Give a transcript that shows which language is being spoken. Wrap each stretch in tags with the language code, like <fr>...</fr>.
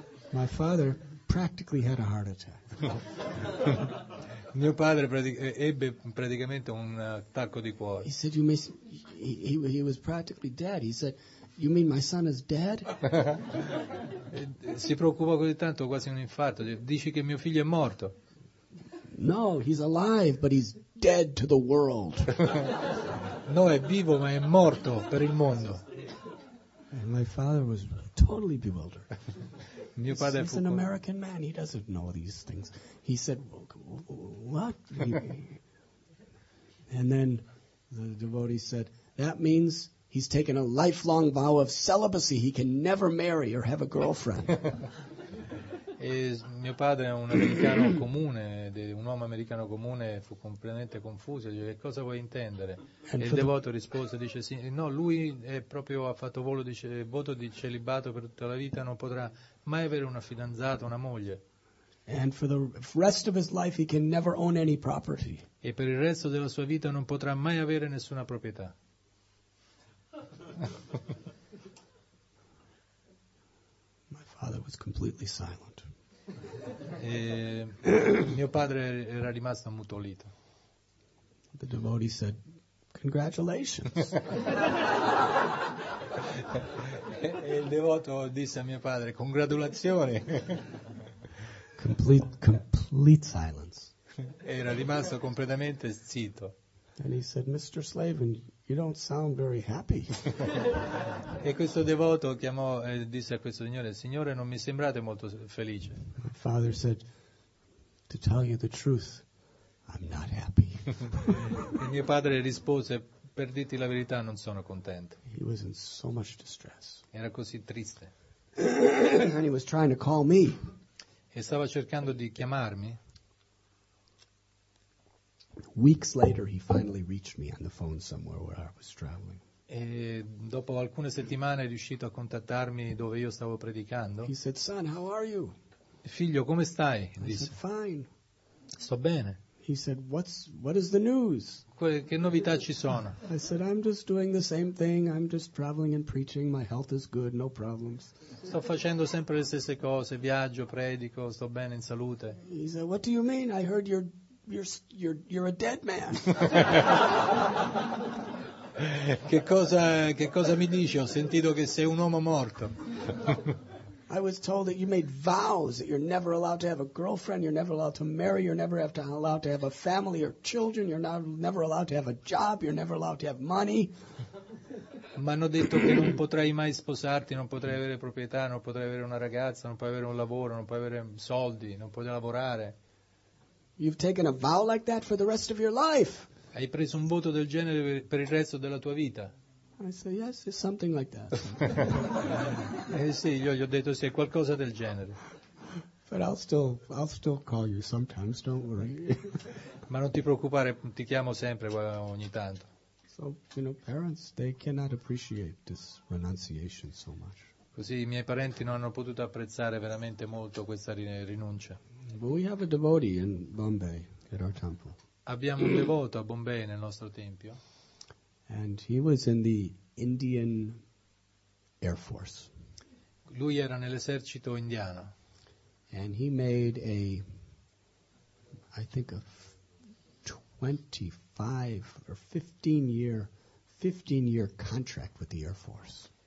<en>My father practically had a heart attack.</en> <it>Mio padre ebbe praticamente un attacco di cuore.</it> <en>He said, he was practically dead. He said, you mean my son is dead?</en> <it>Si preoccupò così tanto, quasi un infarto. Dici che mio figlio è morto?</it> <en>No, he's alive, but he's dead to the world.</en> <it>No, è vivo, ma è morto per il mondo.</it> <en>And my father was totally bewildered.</en> <it>Mio padre</it> <en>he's an American man. He doesn't know these things. He said, what? And then the devotee said, that means he's taken a lifelong vow of celibacy. He can never marry or have a girlfriend.</en> <it>E mio padre è un americano comune, un uomo americano comune, fu completamente confuso. Dice, che cosa vuoi intendere? E il devoto rispose, dice, sì, no, lui è proprio ha fatto voto di celibato per tutta la vita, non potrà mai avere una fidanzata, una moglie.</it> <en>And for the rest of his life he can never own any property.</en> <it>E per il resto della sua vita non potrà mai avere nessuna proprietà.</it> <en>My father was completely silent.</en> <it>E mio padre era rimasto ammutolito.</it> <en>The devotee said, congratulations.</en> <it>E il devoto disse a mio padre, congratulazioni.</it> <en>Complete silence.</en> <it>Era rimasto completamente zitto.</it> <en>And he said, Mr. Slavin, you don't sound very happy.</en> <it>E questo devoto chiamò e disse a questo signore, signore, non mi sembrate molto felice.</it> <en>My father said, to tell you the truth, I'm not happy.</en> <it>E mio padre rispose, per dirti la verità, non sono contento.</it> <en>He was in so much distress.</en> <it>Era così triste.</it> <en>And he was trying to call me.</en> <it>E stava cercando di chiamarmi.</it> <en>Weeks later he finally reached me on the phone somewhere where I was traveling.</en> <it>E dopo alcune settimane è riuscito a contattarmi dove io stavo predicando.</it> <en>He said, son, how are you?</en> <it>Figlio, come stai? Disse,</it> <en>I said, fine.</en> <it>Sto bene.</it> <en>He said, what is the news?</en> <it>Che novità ci sono?</it> <en>I said, I'm just doing the same thing. I'm just traveling and preaching. My health is good, no problems.</en> <it>Sto facendo sempre le stesse cose, viaggio, predico, sto bene in salute.</it> <en>He said, what do you mean? I heard you're a dead man.</en> <it>Che cosa mi dici? Ho sentito che sei un uomo morto.</it> <en>I was told that you made vows that you're never allowed to have a girlfriend, you're never allowed to marry, you're never allowed to have a family or children, you're never allowed to have a job, you're never allowed to have money.</en> <it>Mi hanno detto che non potrai mai sposarti, non potrai avere proprietà, non potrai avere una ragazza, non puoi avere un lavoro, non puoi avere soldi, non puoi lavorare.</it> <en>You've taken a vow like that for the rest of your life.</en> <it>Hai preso un voto del genere per il resto della tua vita?</it> <en>I said, yes, it's something like that.</en> <it>Sì, io gli ho detto sì, è qualcosa del genere.</it> <en>But I'll still call you sometimes, don't worry.</en> <it>Ma non ti preoccupare, ti chiamo sempre ogni tanto.</it> <en>So, you know, parents, they cannot appreciate this renunciation so much.</en> <it>Così i miei parenti non hanno potuto apprezzare veramente molto questa rinuncia.</it> <en>But we have a devotee in Bombay at our temple.</en> <it>Abbiamo un devoto a Bombay nel nostro tempio.</it> <en>And he was in the Indian Air Force.</en> <it>Lui era nell'esercito indiano.</it> <en>And he made a, I think, a 25 or 15 year contract with the Air Force.</en>